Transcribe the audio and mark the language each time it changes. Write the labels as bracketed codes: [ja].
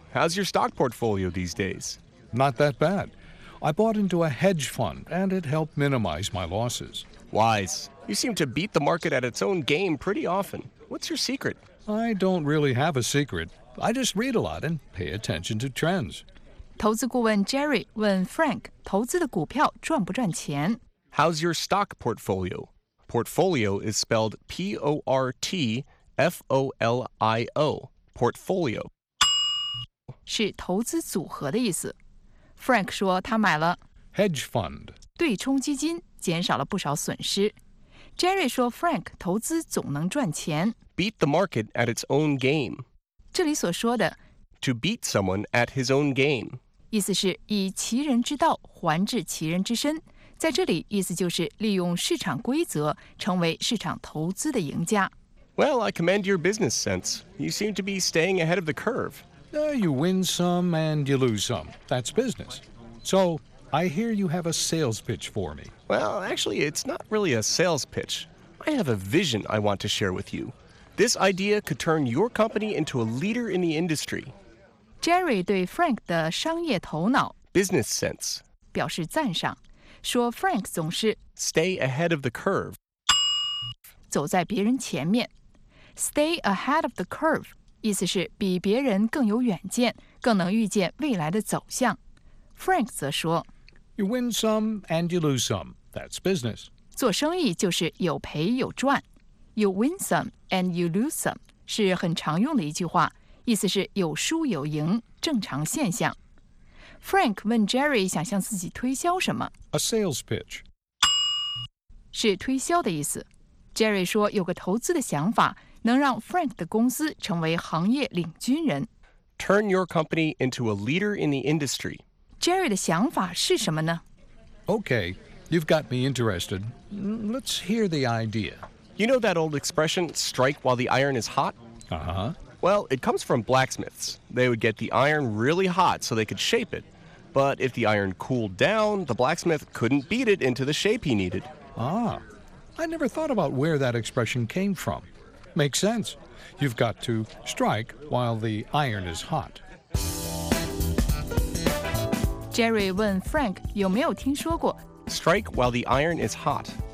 [en] How's your stock portfolio these days? Not that bad. I bought into a hedge fund, and it helped minimize my losses. Wise. You seem to beat the market at its own game pretty often. What's your secret? I don't really have a secret. I just read a lot and pay attention to trends. [zh] 投资顾问 Jerry 问 Frank, 投资的股票赚不赚钱? [en] How's your stock portfolio? Portfolio is spelled P-O-R-T-F-O-L-I-O, portfolio. [zh] 是投资组合的意思。Frank 说他买了 [en] hedge fund, [zh] 对冲基金，减少了不少损失。Jerry 说 Frank 投资总能赚钱。 [en] Beat the market at its own game. [zh] 这里所说的 [en] to beat someone at his own game. [zh] 意思是以其人之道还治其人之身。在这里意思就是利用市场规则成为市场投资的赢家。 [en] Well, I commend your business sense. You seem to be staying ahead of the curve. You win some and you lose some. That's business. So, I hear you have a sales pitch for me. Well, actually, it's not really a sales pitch. I have a vision I want to share with you. This idea could turn your company into a leader in the industry. [zh] Jerry 对 Frank 的商业头脑 [en] business sense [zh] 表示赞赏，说 Frank 总是 [en] stay ahead of the curve [zh] 走在别人前面。 [en] Stay ahead of the curve, [zh] 意思是比别人更有远见，更能预见未来的走向。Frank 则说 [en] You win some and you lose some. That's business. [zh] 做生意就是有赔有赚。 [en] You win some and you lose some [zh] 是很常用的一句话，意思是有输有赢，正常现象。 Frank 问 Jerry 想向自己推销什么。 [en] A sales pitch [zh] 是推销的意思。 Jerry 说有个投资的想法，能让 Frank 的公司成为行业领军人。 [en] Turn your company into a leader in the industry. [zh] Jerry 的想法是什么呢？ [en] Okay, you've got me interested. Let's hear the idea. You know that old expression, strike while the iron is hot? Uh-huh. Well, it comes from blacksmiths. They would get the iron really hot so they could shape it. But if the iron cooled down, the blacksmith couldn't beat it into the shape he needed. Ah, I never thought about where that expression came from. Makes sense. You've got to strike while the iron is hot. [zh] Jerry 问 Frank 有没有听说过 [en] Strike while the iron is hot.